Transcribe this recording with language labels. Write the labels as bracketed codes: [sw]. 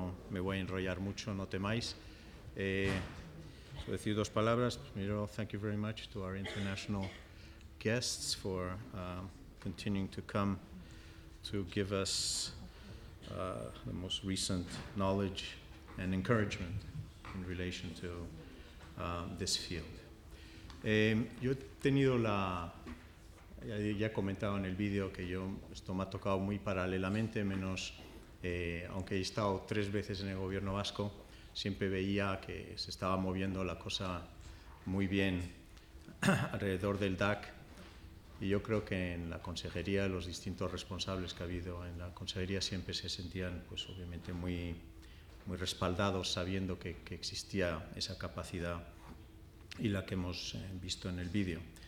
[es] me voy a enrollar mucho, no temáis. Decir dos palabras. [en] Primero, thank you very much to our international guests for continuing to come to give us the most recent knowledge and encouragement in relation to this field. [es] Yo he tenido la... Ya he comentado en el vídeo que yo esto me ha tocado muy paralelamente, menos aunque he estado tres veces en el gobierno vasco, siempre veía que se estaba moviendo la cosa muy bien alrededor del DAC, y yo creo que en la consejería, los distintos responsables que ha habido en la consejería siempre se sentían, pues obviamente, muy, muy respaldados, sabiendo que existía esa capacidad y la que hemos visto en el vídeo.